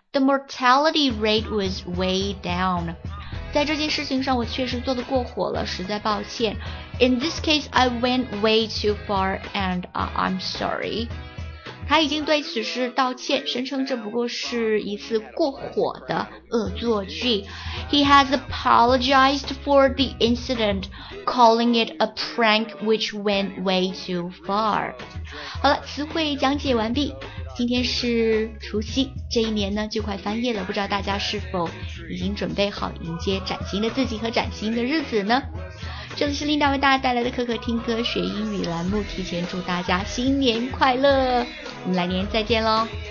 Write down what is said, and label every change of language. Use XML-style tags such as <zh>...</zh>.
<en>The mortality rate was way down.</en> <zh>在这件事情上我确实做得过火了，实在抱歉。</zh> <en>In this case, I went way too far and I'm sorry.</en> <zh>他已经对此事道歉，声称这不过是一次过火的恶作剧。</zh> <en>He has apologized for the incident, calling it a prank which went way too far.</en> <zh>好了，词汇讲解完毕。今天是除夕，这一年呢就快翻页了，不知道大家是否已经准备好迎接崭新的自己和崭新的日子呢？这里是琳达为大家带来的可可听歌学英语栏目，提前祝大家新年快乐，我们来年再见咯。</zh>